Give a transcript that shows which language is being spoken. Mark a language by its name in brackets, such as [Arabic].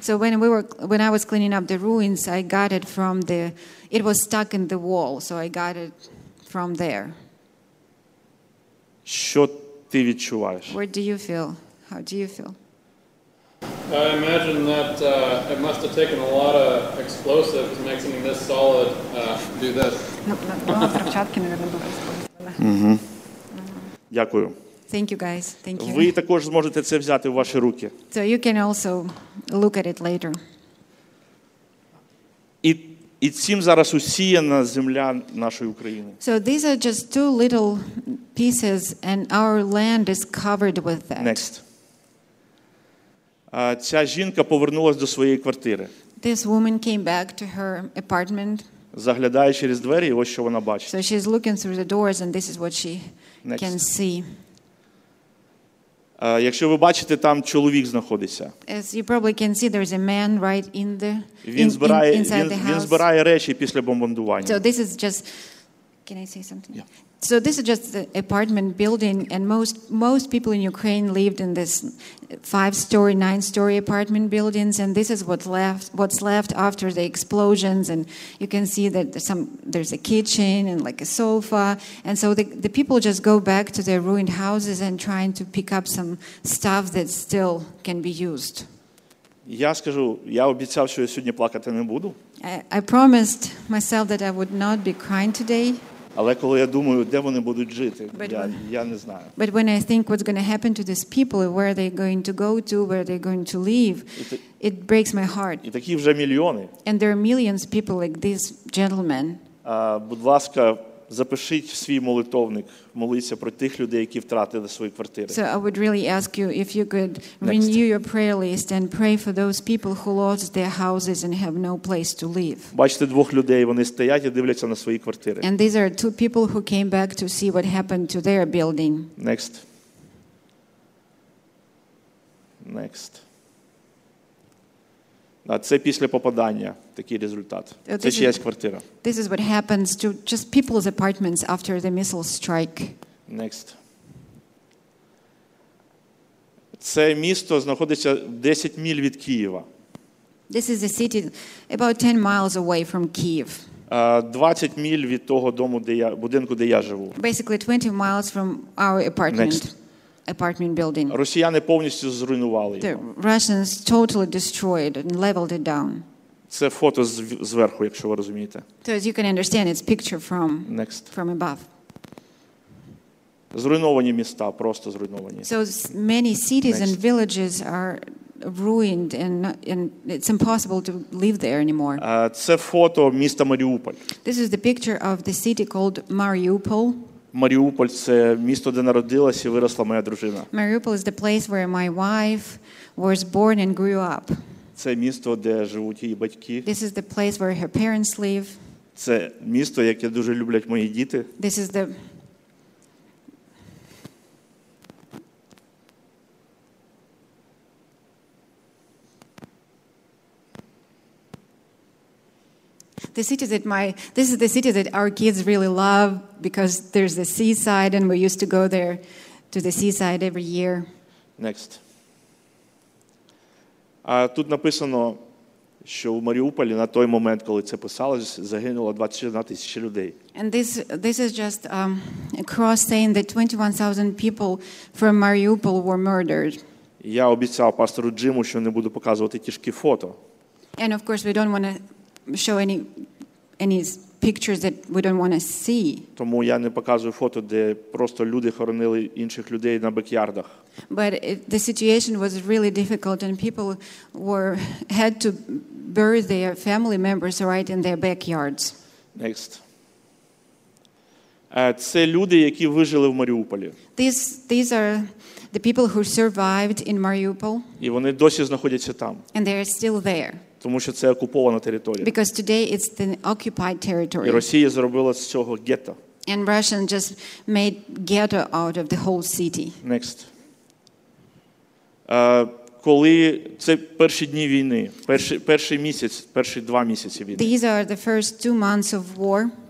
[English] So when I was cleaning up the ruins, I got it from the, it was stuck in the wall, so I got it from there. [Ukrainian] Що ти відчуваєш? [English] What do you feel? How do you feel? I imagine that it must have taken a lot of explosive to make something this solid do this. [Ukrainian] Ну, на початку, мабуть, було. Угу. Дякую. [English] Thank you, guys. Thank you. [Ukrainian] Ви також зможете це взяти в ваші руки. [English] So you can also look at it later. [Ukrainian] І цим зараз усіяна земля нашої України. [English] So these are just two little pieces and our land is covered with that. Next. [Ukrainian] Ця жінка повернулась до своєї квартири. [English] This woman came back to her apartment. [Ukrainian] Заглядає через двері, і ось що вона бачить. [English] So she's looking through the doors and this is what she Next. Can see. [Ukrainian] Якщо ви бачите, там чоловік знаходиться. [English] As you probably can see, there is a man right in the inside the house. [Ukrainian] Він збирає речі після бомбардування. [English] So this is just, can I say something? Yeah. So this is just the apartment building, and most people in Ukraine lived in this 5-story, 9-story apartment buildings, and this is what's left after the explosions. And you can see that there's a kitchen and like a sofa, and so the people just go back to their ruined houses and trying to pick up some stuff that still can be used. [Ukrainian] Я скажу, я обіцяв, що я сьогодні плакати не буду. [English] I promised myself that I would not be crying today. [Ukrainian] Але коли я думаю, де вони будуть жити, я не знаю. [English] But when I think what's going to happen to these people, where they're going to go to, where they're going to live, it breaks my heart. [Ukrainian] І такі вже мільйони. [English] And there are millions of people like this gentleman. [Ukrainian] Будь ласка, запишіть в свій молитовник, моліться про тих людей, які втратили свої квартири. [English] So I would really ask you if you could renew your prayer list and pray for those people who lost their houses and have no place to live. [Ukrainian] Бачите двох людей, вони стоять і дивляться на свої квартири. [English] And these are two people who came back to see what happened to their building. Next. [Ukrainian] А це після попадання, такий результат. Це чиясь квартира. [English] This is what happens to just people's apartments after the missile strike. Next. [Ukrainian] Це місто знаходиться 10 миль від Києва. [English] This is a city about 10 miles away from Kyiv. [Ukrainian] 20 миль від того дому, де я, будинку, де я живу. [English] Basically 20 miles from our apartment. Next. Apartment building. [Ukrainian] Росіяни повністю зруйнували його. [English] The Russians totally destroyed and leveled it down. [Ukrainian] Це фото зверху, якщо ви розумієте. [English] So as you can understand, it's picture from Next. From above. [Ukrainian] Зруйновані міста, просто зруйновані. [English] So many cities Next. And villages are ruined and it's impossible to live there anymore. [Ukrainian] Це фото міста Маріуполь. [English] This is the picture of the city called Mariupol. [Ukrainian] Маріуполь – це місто, де народилась і виросла моя дружина. [English] Mariupol is the place where my wife was born and grew up. [Ukrainian] Це місто, де живуть її батьки. [English] This is the place where her parents live. [Ukrainian] Це місто, яке дуже люблять мої діти. [English] This is the... The city that this is the city that our kids really love because there's the seaside and we used to go there to the seaside every year. Next. [Ukrainian] Тут написано, що в Маріуполі на той момент, коли це писалось, загинуло 21 тисяч людей. [English] And this is just a cross saying that 21,000 people from Mariupol were murdered. [Ukrainian] Я обіцяв пастору Джиму, що не буду показувати тішки фото. [English] And of course we don't want to show any pictures that we don't want to see. [Ukrainian] Тому я не показую фото, де просто люди хоронили інших людей на бекярдах. [English] But the situation was really difficult and people had to bury their family members right in their backyards. Next. [Ukrainian] Це люди, які вижили в Маріуполі. [English] These are the people who survived in Mariupol. [Ukrainian] І вони досі знаходяться там. [English] And they are still there. [Ukrainian] Тому що це окупована територія. [English] Because today it's the occupied territory. [Ukrainian] І Росія зробила з цього гетто. [English] And Russia just made ghetto out of the whole city. Next. [Ukrainian] Коли це перші дні війни, перший місяць, перші два місяці війни. [English] These are the first two months of war.